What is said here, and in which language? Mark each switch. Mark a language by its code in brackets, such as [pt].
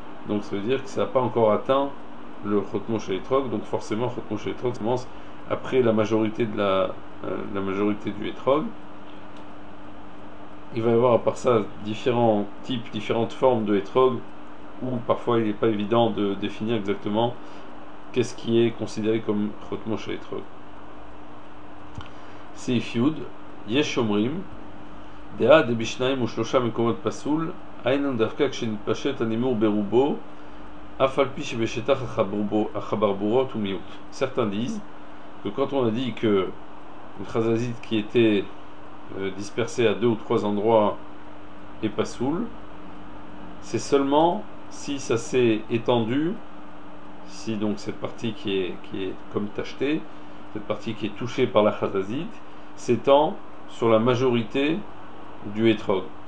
[fr] Donc ça veut dire que ça n'a pas encore atteint le Chotmo shel Etrog, donc forcément Chotmo shel Etrog commence après la majorité du Etrog. Il va y avoir à part ça différents types, différentes formes de Etrog, où parfois il n'est pas évident de définir exactement qu'est-ce qui est considéré comme Chotmo shel Etrog. [he] סעיף יוד, יש שומרים, דעה דבשניים ושלושה מקומות פסול, היינו דווקא כשנתפשט הנימור ברובו, אף על פי שבשטח החברבורות הוא מיעוט. [fr] Certains disent que quand on a dit que une chazazite qui était dispersée à deux ou trois endroits est pasoul, c'est seulement si ça s'est étendu, si donc cette partie qui est comme tachetée, cette partie qui est touchée par la chazazite, s'étend sur la majorité du hétrog.